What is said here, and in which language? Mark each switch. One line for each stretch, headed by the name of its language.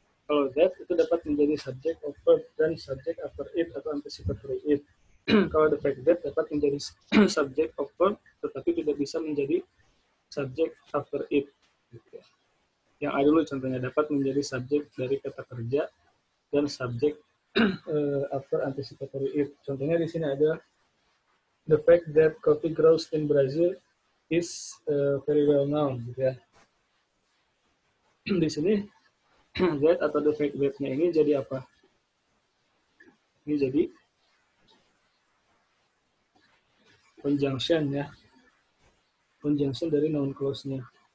Indonesian: Kalau that itu dapat menjadi subjek of verb dan subjek after it atau anticipatory it. Kalau the fact that dapat menjadi subjek of verb tetapi tidak bisa menjadi subjek after it. Yang ada dulu contohnya, dapat menjadi subjek dari kata kerja dan subjek after anticipatory it. Contohnya di sini ada
English: the fact that coffee grows in Brazil is very well known.
Indonesian: Gitu ya. Di sini that atau the fact that-nya ini jadi apa? Ini jadi conjunction ya. Conjunction dari noun clause-nya.